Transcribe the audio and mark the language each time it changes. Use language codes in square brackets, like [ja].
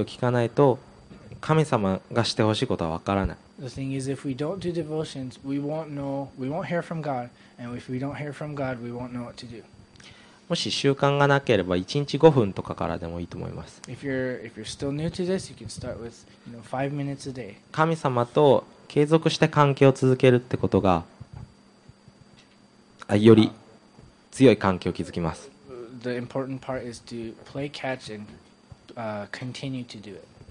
[ja] を聞かないと神様がしてほしいことは分からない。 [en] The thing is, if we don't do devotions, we won't know, we won't hear from God, and if we don't hear from God, we won't know what to do. [ja] もし習慣がなければ1日5分とかからでもいいと思います。 [en] If you're still new to this, you can start with, you know, 5 minutes a day. [ja] 神様と継続して関係を続けるってことが、あ、より強い関係を築きます。 [en] The important part is to play catch and continue to do it.